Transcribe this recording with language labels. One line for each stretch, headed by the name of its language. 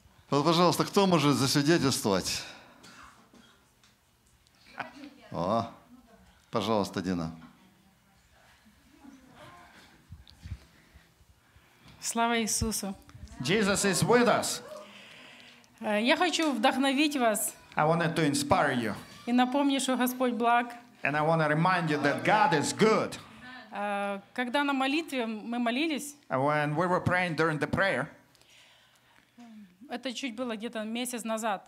Russian: Вот, пожалуйста, кто может засвидетельствовать? О, пожалуйста, Дина. Слава Иисусу.
English: Jesus is with us.
Russian: Я хочу вдохновить вас.
English: I wanted to inspire you.
Russian: И напомню, что Господь благ.
English: And I want to remind you that God is good.
Russian: Когда на молитве мы молились?
English: When we were praying during the prayer.
Russian: Это чуть было где-то месяц назад.